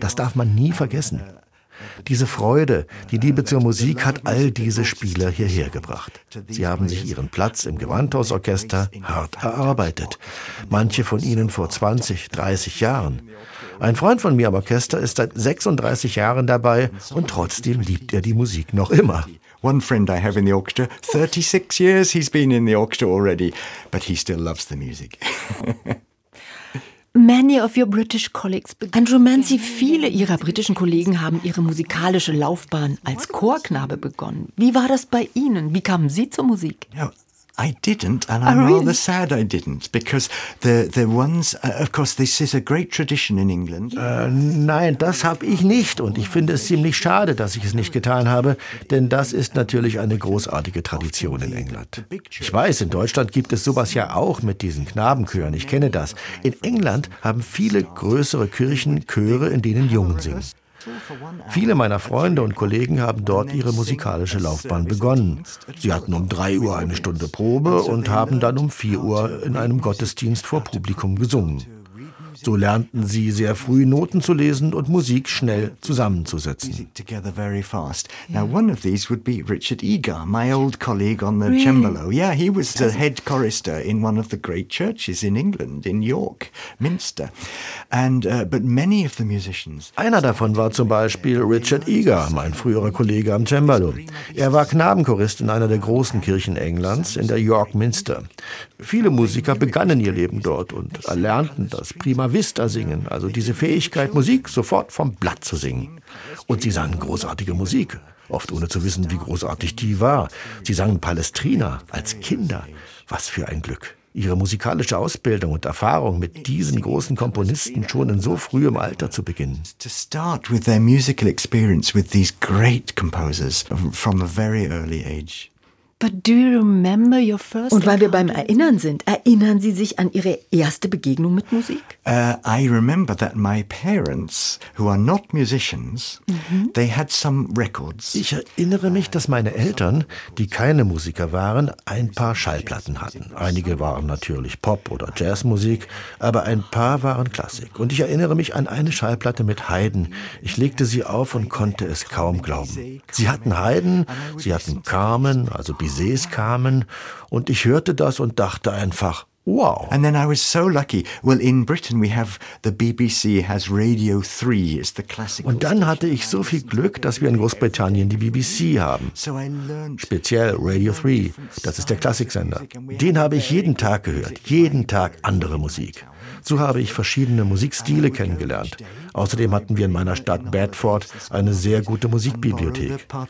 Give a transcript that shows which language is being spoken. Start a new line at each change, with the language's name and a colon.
German: Das darf man nie vergessen. Diese Freude, die Liebe zur Musik hat all diese Spieler hierher gebracht. Sie haben sich ihren Platz im Gewandhausorchester hart erarbeitet. Manche von ihnen vor 20, 30 Jahren. Ein Freund von mir am Orchester ist seit 36 Jahren dabei und trotzdem liebt er die Musik noch immer.
English: One friend I have in the orchestra, 36 years he's been in the orchestra already, but he still loves the music. Many of your British colleagues.
German: Andrew Manzi, viele Ihrer britischen Kollegen haben ihre musikalische Laufbahn als Chorknabe begonnen. Wie war das bei Ihnen? Wie kamen Sie zur Musik?
English: I didn't, and I'm rather sad I didn't, because the ones, of course, this is a great tradition in England.
German: Nein, das habe ich nicht, und ich finde es ziemlich schade, dass ich es nicht getan habe, denn das ist natürlich eine großartige Tradition in England. Ich weiß, in Deutschland gibt es sowas ja auch mit diesen Knabenchören, ich kenne das. In England haben viele größere Kirchen Chöre, in denen Jungen singen. Viele meiner Freunde und Kollegen haben dort ihre musikalische Laufbahn begonnen. Sie hatten um 3 Uhr eine Stunde Probe und haben dann um 4 Uhr in einem Gottesdienst vor Publikum gesungen. So lernten sie sehr früh Noten zu lesen und Musik schnell zusammenzusetzen.
English: Now one of these would be Richard Egar, my old colleague on the cembalo. Yeah, he was the head chorister in one of the great churches in England, in York, Minster. And but many of the musicians.
German: Einer davon war zum Beispiel Richard Egar, mein früherer Kollege am Cembalo. Er war Knabenchorist in einer der großen Kirchen Englands, in der York Minster. Viele Musiker begannen ihr Leben dort und erlernten das prima vista singen, also diese Fähigkeit, Musik sofort vom Blatt zu singen. Und sie sangen großartige Musik, oft ohne zu wissen, wie großartig die war. Sie sangen Palestrina als Kinder. Was für ein Glück. Ihre musikalische Ausbildung und Erfahrung mit diesen großen Komponisten schon in so frühem Alter zu beginnen.
English: To start with their musical experience with these great composers from a very early age. But do you remember your first?
German: Und weil wir beim Erinnern sind, erinnern Sie sich an Ihre erste Begegnung mit Musik?
English: I remember that my parents, who are not musicians, they had some records.
German: Ich erinnere mich, dass meine Eltern, die keine Musiker waren, ein paar Schallplatten hatten. Einige waren natürlich Pop- oder Jazzmusik, aber ein paar waren Klassik. Und ich erinnere mich an eine Schallplatte mit Haydn. Ich legte sie auf und konnte es kaum glauben. Sie hatten Haydn, sie hatten Carmen, also Bizets kamen und ich hörte das und dachte einfach, wow.
English: And then I was so lucky. Well, in Britain we have the BBC has Radio 3, is the classic.
German: Und dann hatte ich so viel Glück, dass wir in Großbritannien die BBC haben. Speziell Radio 3, das ist der Klassiksender. Den habe ich jeden Tag gehört, jeden Tag andere Musik. So habe ich verschiedene Musikstile kennengelernt. Außerdem hatten wir in meiner Stadt Bedford eine sehr gute Musikbibliothek.